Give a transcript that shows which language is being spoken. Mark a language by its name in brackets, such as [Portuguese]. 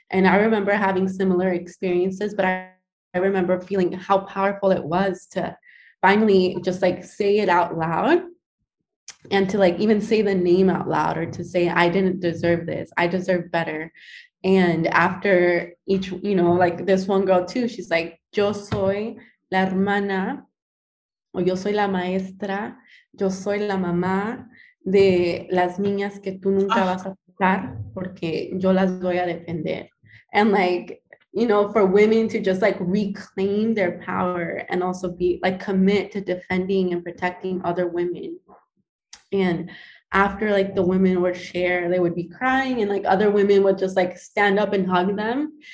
[English] And I remember having similar experiences, but I remember feeling how powerful it was to finally just, like, say it out loud, and to, like, even say the name out loud, or to say, I didn't deserve this, I deserve better. And after each, you know, like, this one girl too, she's like, [Spanish] yo soy la hermana, o yo soy la maestra, yo soy la mamá de las niñas que tú nunca vas a tocar porque yo las voy a defender. [English] And like, you know, for women to just like reclaim their power and also be like commit to defending and protecting other women. And after like the women would share, they would be crying and like other women would just like stand up and hug them.